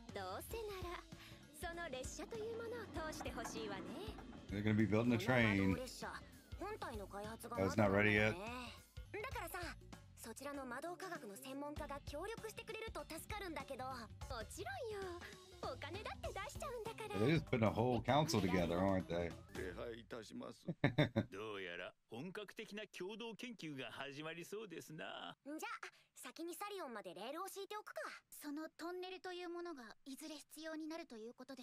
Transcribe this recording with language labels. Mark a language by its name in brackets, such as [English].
[Japanese] どうせならその列車というものを通してほしいわね。 [English] They're gonna be building a train. [Japanese] 本体の開発が [English] That's not ready yet. [Japanese] だからさ、そちらの魔導科学の専門家が協力してくれると助かるんだけど。もちろんよ、お金だって出しちゃうんだから。 [English] They're just putting a whole council together, aren't they? [Japanese] 礼拝いたします。どうやら本格的な共同研究が始まりそうですな。じゃあ先にサリオンまでレールを敷いておくか。そのトンネルというものがいずれ必要になるということで